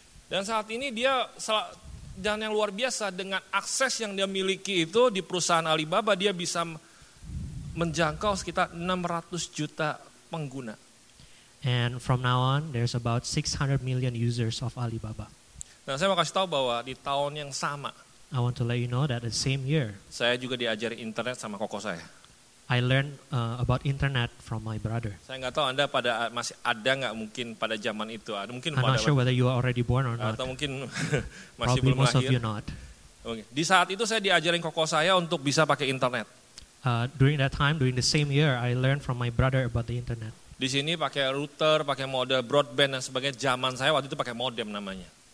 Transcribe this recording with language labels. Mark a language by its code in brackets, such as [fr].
[id] Dan saat ini dia dan yang luar biasa dengan akses yang dia miliki itu di perusahaan Alibaba dia bisa menjangkau sekitar 600 juta pengguna. [en] And from now on there's about 600 million users of Alibaba. [id] Nah, saya mau kasih tahu bahwa di tahun yang sama [en] I want to let you know that the same year [id] saya juga diajar internet sama koko saya. [en] I learned about internet from my brother. [id] Saya enggak tahu Anda pada masih ada enggak mungkin pada zaman itu. Mungkin [en] I'm not sure whether you are already born or not. [id] Atau mungkin masih probably belum [en] most [id] lahir. [en] Of you not. [id] Di saat itu saya diajarin koko saya untuk bisa pakai internet. [en] During that time, during the same year, I learned from my brother about the internet. [id] Di sini pakai router, pakai modem broadband dan sebagainya. Zaman saya waktu itu pakai modem namanya.